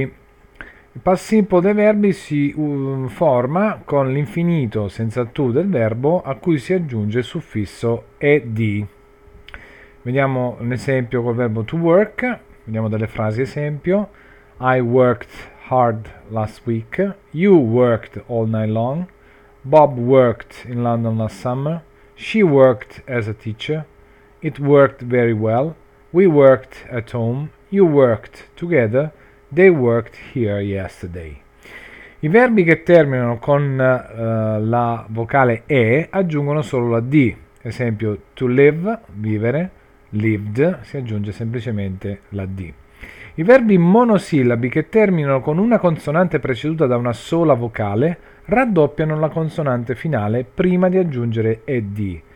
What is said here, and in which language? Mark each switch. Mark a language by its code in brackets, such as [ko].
[it] Il past simple dei verbi si forma con l'infinito senza to del verbo a cui si aggiunge il suffisso ed. Vediamo un esempio col verbo to work. Vediamo delle frasi esempio. [en] I worked hard last week. You worked all night long. Bob worked in London last summer. She worked as a teacher. It worked very well. We worked at home. You worked together. They worked here yesterday. [it] I verbi che terminano con la vocale E aggiungono solo la D. Esempio, to live, vivere, lived, si aggiunge semplicemente la D. I verbi monosillabi che terminano con una consonante preceduta da una sola vocale raddoppiano la consonante finale prima di aggiungere ED.